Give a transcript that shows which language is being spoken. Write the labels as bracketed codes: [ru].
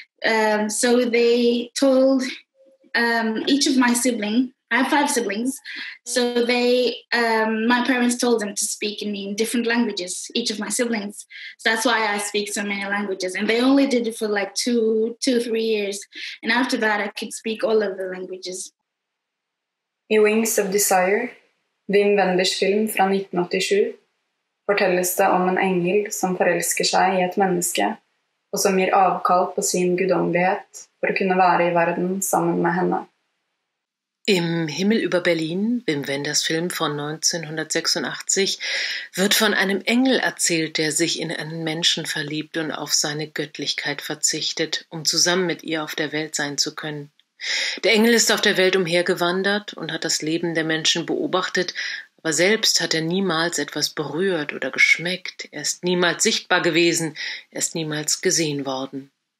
[en] So they told each of my siblings, I have five siblings, so they, my parents told them to speak in me in different languages, each of my siblings. So that's why I speak so many languages. And they only did it for like two, three years. And after that, I could speak all of the languages. [no] I Wings of Desire, Wim Wenders film fra 1987, fortelles det om en engel som forelsker seg I et menneske, og som gir avkall på sin guddommelighet for å kunne være I verden sammen med henne. [de] Im Himmel über Berlin, Wim Wenders Film von 1986, wird von einem Engel erzählt, der sich in einen Menschen verliebt und auf seine Göttlichkeit verzichtet, um zusammen mit ihr auf der Welt sein zu können. Der Engel ist auf der Welt umhergewandert und hat das Leben der Menschen beobachtet, aber selbst hat er niemals etwas berührt oder geschmeckt, er ist niemals sichtbar gewesen, er ist niemals gesehen worden.